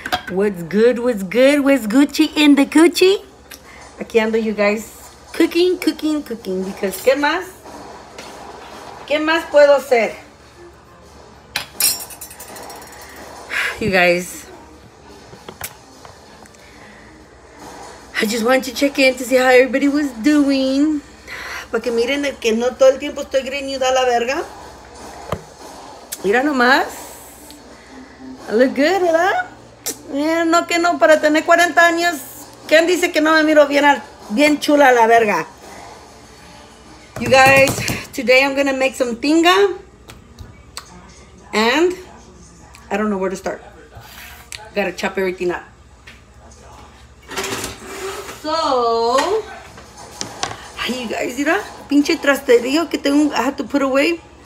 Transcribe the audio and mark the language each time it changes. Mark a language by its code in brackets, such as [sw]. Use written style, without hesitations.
[en] What's good, what's good, what's Gucci in the Gucci? [es] Aquí ando, [en] you guys, cooking, cooking, cooking, because [es] ¿qué más? ¿Qué más puedo hacer? [en] You guys, I just wanted to check in to see how everybody was doing. [es] Para que miren que no todo el tiempo estoy greñuda a la verga. Mira nomás. [en] I look good, [es] ¿verdad? No que no, para tener 40 años. ¿Quién dice que no me miro bien, bien chula a la verga? [en] You guys, today I'm going to make some tinga. And I don't know where to start. Got to chop everything up. So, you guys, [es] mira, pinche trasterío que tengo, [en] I had to put away.